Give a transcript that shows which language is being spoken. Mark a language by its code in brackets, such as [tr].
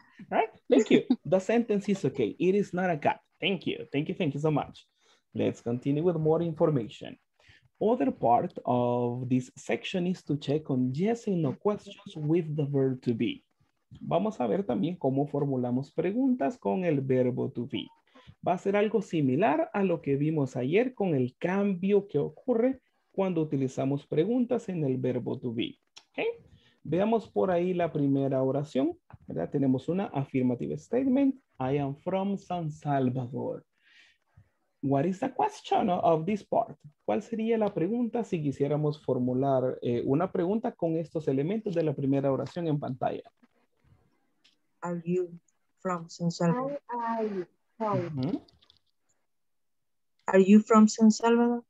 [en] Right? Thank you. The sentence is okay. It is not a cat. Thank you. Thank you so much. Let's continue with more information. Other part of this section is to check on yes and no questions with the verb to be. [es] Vamos a ver también cómo formulamos preguntas con el verbo to be. Va a ser algo similar a lo que vimos ayer con el cambio que ocurre cuando utilizamos preguntas en el verbo to be. ¿Okay? Veamos por ahí la primera oración. ¿Verdad? Tenemos una [en] affirmative statement. I am from San Salvador. What is the question of this part? [es] ¿Cuál sería la pregunta si quisiéramos formular una pregunta con estos elementos de la primera oración en pantalla? [en] Are you from San Salvador? Are you from San Salvador?